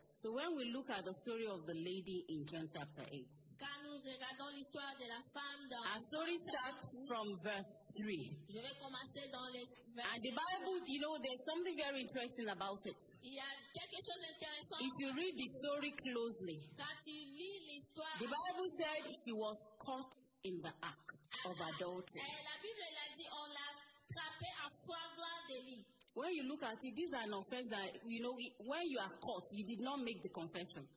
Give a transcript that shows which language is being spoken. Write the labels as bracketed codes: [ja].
[en] So when we look at the story of the lady in John chapter 8, our story starts from verse 3. [fr] Je vais commencer dans les vers [en] and the Bible, you know, there's something very interesting about it. [fr] Il y a quelque chose d'intéressant. [en] If you read the story closely, [fr] quand tu lis l'histoire, [en] the Bible said she was caught in the act of adultery. [fr] La Bible l'a dit, on l'a attrapé à flagrant délit. [en] When you look at it, this is an offense that, you know, when you are caught, you did not make the confession.